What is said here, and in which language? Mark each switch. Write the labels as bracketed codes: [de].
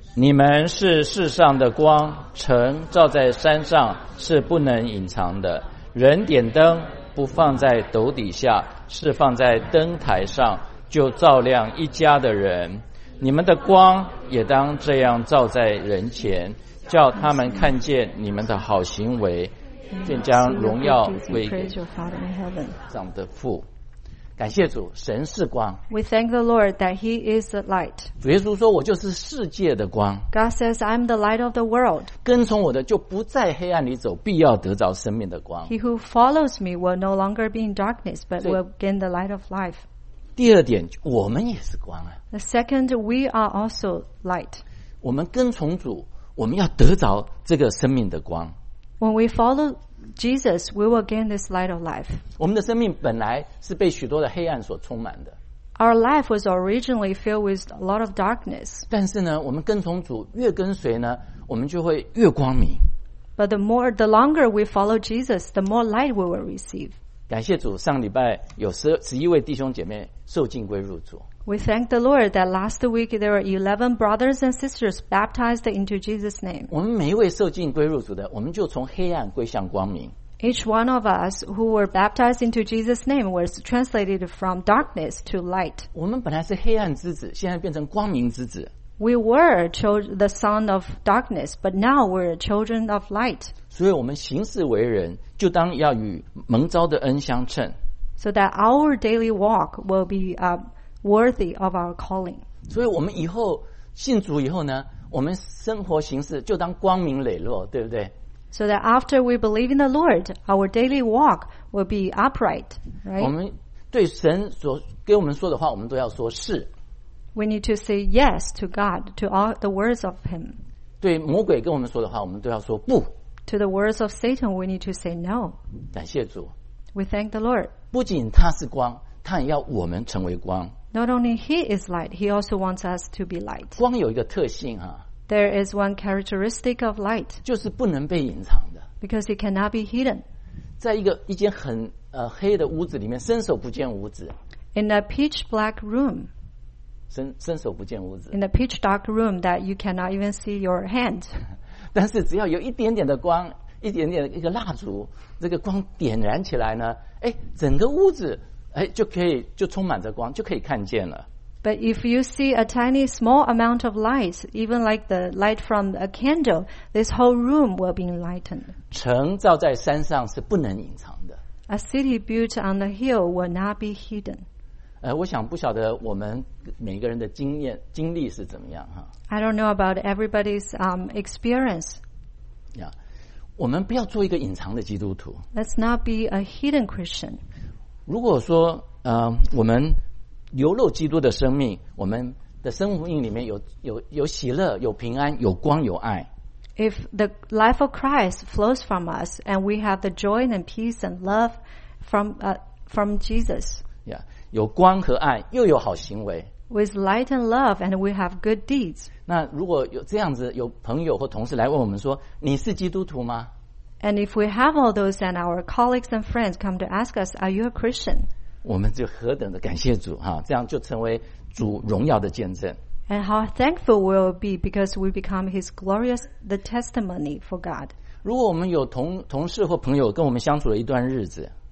[zh] 你们是世上的光城照在山上是不能隐藏的人点灯不放在斗底下是放在灯台上就照亮一家的人你们的光也当这样照在人前叫他们看见你们的好行为便将荣耀归给上帝的父感谢主神是光 [en] We thank the Lord that he is the light [zh] 主耶稣说我就是世界的光 [en] God says I'm the light of the world [zh] 跟从我的就不在黑暗里走必要得着生命的光 [en] He who follows me will no longer be in darkness but will gain the light of life [zh] 第二点我们也是光、啊、 [en] The second we are also light [zh] 我们跟从主我们要得着这个生命的光。 [en] When we follow Jesus, we will gain this light of life. [zh] 我们的生命本来是被许多的黑暗所充满的。 [en] Our life was originally filled with a lot of darkness. [zh] 但是呢，我们跟从主，越跟随呢，我们就会越光明。 [en] But the longer we follow Jesus, the more light we will receive. [zh] 感谢主，上礼拜有十一位弟兄姐妹受浸归入主。 [en] We thank the Lord that last week there were 11 brothers and sisters baptized into Jesus' name. [zh] 我们每一位受浸归入主的，我们就从黑暗归向光明。 [en] Each one of us who were baptized into Jesus' name was translated from darkness to light. [zh] 我们本来是黑暗之子，现在变成光明之子。 [en] We were the son of darkness, but now we're children of light. [zh] 所以我们行事为人，就当要与蒙召的恩相称。 [en] So that our daily walk will be worthy of our calling. [zh] 所以我们以后信主以后呢，我们生活行事就当光明磊落，对不对 [en] So that after we believe in the Lord, our daily walk will be upright, right? [zh] 我们对神所给我们说的话，我们都要说是。 [en] We need to say yes to God, to all the words of Him. [zh] 对魔鬼跟我们说的话，我们都要说不。 [en] To the words of Satan, we need to say no. [zh] 感谢主。 [en] We thank the Lord. [zh] 不仅他是光，他也要我们成为光。 [en] Not only He is light, He also wants us to be light. [zh] 光有一个特性啊。 [en] There is one characteristic of light. [zh] 就是不能被隐藏的。 [en] Because it cannot be hidden. [zh] 在一间很黑的屋子里面，伸手不见五指。 [en] In a pitch black room. [zh] 伸手不见五指。 [en] In a pitch dark room that you cannot even see your hand. [zh] 但是只要有一点点的光，一点点的一个蜡烛，这个光点燃起来呢，哎，整个屋子哎就可以就充满着光，就可以看见了。 [en] But if you see a tiny small amount of light, even like the light from a candle, this whole room will be enlightened. [zh] 城造在山上是不能隐藏的。 [en] A city built on the hill will not be hidden. [zh] 我想不晓得我们每个人的经历是怎么样哈。 [en] I don't know about everybody's experience. Yeah. [zh] 我们不要做一个隐藏的基督徒。 [en] Let's not be a hidden Christian. [zh] 如果说我们流露基督的生命，我们的生命里面有喜乐，有平安，有光，有爱。 [en] If the life of Christ flows from us, and we have the joy and peace and love from Jesus. [zh] Yeah, 有光和爱，又有好行为。 [en] With light and love, and we have good deeds. [zh] 那如果有这样子，有朋友或同事来问我们说，你是基督徒吗？ [en] And if we have all those, and our colleagues and friends come to ask us, are you a Christian? [zh] 我们就何等的感谢主哈，这样就成为主荣耀的见证。 [en] And how thankful we'll be because we become His glorious the testimony for God. [zh] 如果我们有同事或朋友跟我们相处了一段日子